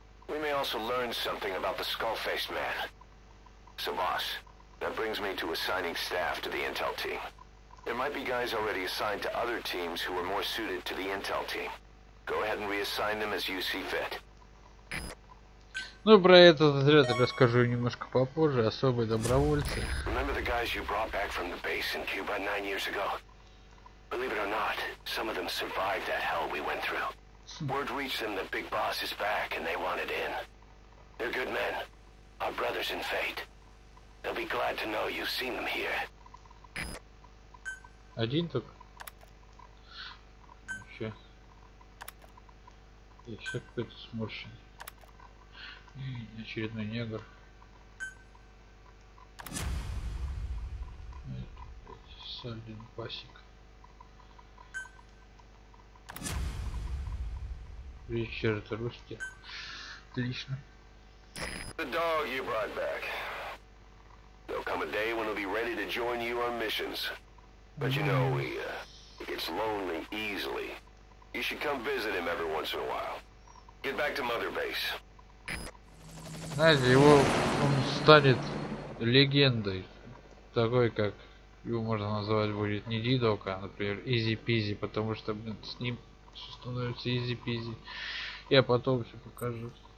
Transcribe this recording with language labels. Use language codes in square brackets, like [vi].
[en] We may also learn something about the skull-faced man. So, boss. That brings me to assigning staff to the intel team. There might be guys already assigned to other teams who are more suited to the intel team. Go ahead and reassign them as you see fit. [ru] Ну, про этот отряд расскажу немножко попозже. Особые добровольцы. [en] Remember the guys you brought back from the base in Cuba 9 years ago? Believe it or not, some of them survived that hell we went through. Word reached them that Big Boss is back and they want it in. They're good men. Our brothers in fate. They'll be glad to know you've seen them here. [ru] Один только? Вообще. Еще какой-то сморщенный. И очередной негр. Это, блядь, сальдин пасик. Ричард русский. Отлично. [en] The dog you brought back. There'll come a day when he'll be ready to join you on missions. But you know, he gets lonely easily. You should come visit him every once in a while. Get back to Mother Base. [ru] Знаете, его он станет легендой. Такой, как его можно назвать будет не Дидок, а, например, Изи Пизи, потому что, блин, с ним все становится Изи Пизи. Я потом все покажу.